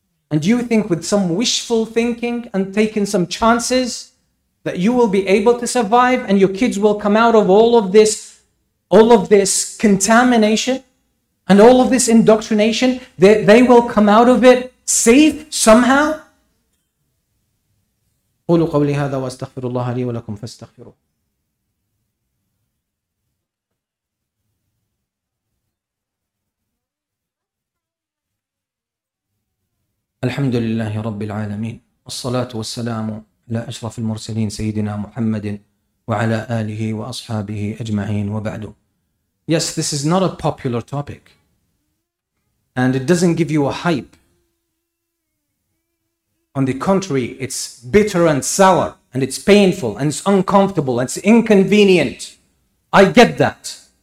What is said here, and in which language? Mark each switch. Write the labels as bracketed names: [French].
[English] And you think with some wishful thinking and taking some chances, that you will be able to survive and your kids will come out of all of this contamination and all of this indoctrination, that they will come out of it safe somehow? [Arabic] قولوا قولي هذا واستغفر الله لي ولكم فاستغفروا. الحمد لله رب العالمين الصلاة والسلام على أشرف المرسلين سيدنا محمد وعلى آله وأصحابه أجمعين وبعد. [English] Yes, this is not a popular topic and it doesn't give you a hype. On the contrary, it's bitter and sour and it's painful and it's uncomfortable and it's inconvenient. I get that.